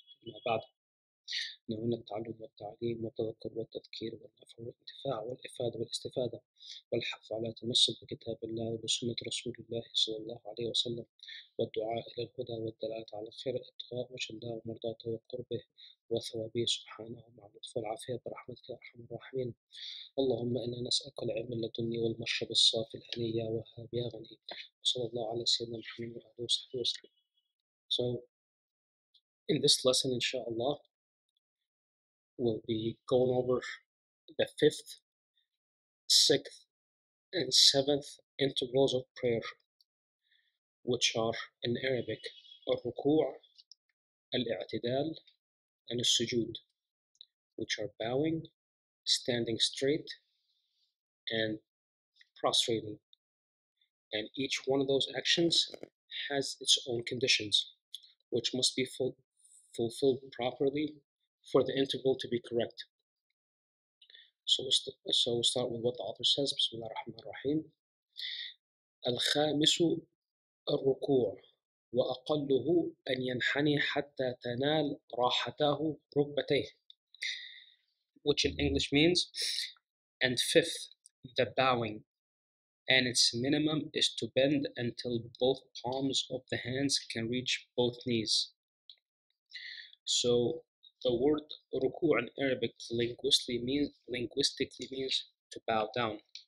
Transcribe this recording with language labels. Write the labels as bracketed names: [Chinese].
[Arabic] أما بعد، نوينا التعلم والتعليم والتذكر والتذكير والنفع والانتفاع والإفادة والاستفادة والحث على التمسك بكتاب الله وبسنة رسول الله صلى الله عليه وسلم، والدعاء إلى الهدى والدلالة على الخير، ابتغاء وجه الله ومرضاته وقربه وثوابه سبحانه مع لطف العافية برحمتك يا أرحم الراحمين. اللهم إنا نسألك العلم اللدني والمشرب الصافي الهني يا وهاب يا غني، وصلى الله على سيدنا محمد وآله وصحبه وسلم. [English] So in this lesson, inshallah, we'll be going over the 5th, 6th, and 7th intervals of prayer, which are in Arabic الركوع, الاعتدال, and السجود, which are bowing, standing straight, and prostrating. And each one of those actions has its own conditions, which must be fulfilled properly for the interval to be correct. So we'll start with what the author says. Bismillah ar-Rahman ar-Rahim. [Arabic] الخامس الركوع وأقله أن ينحني حتى تنال راحته ركبتيه. [English] Which in English means, and fifth, the bowing, and its minimum is to bend until both palms of the hands can reach both knees. So the word ruku' in Arabic linguistically means to bow down.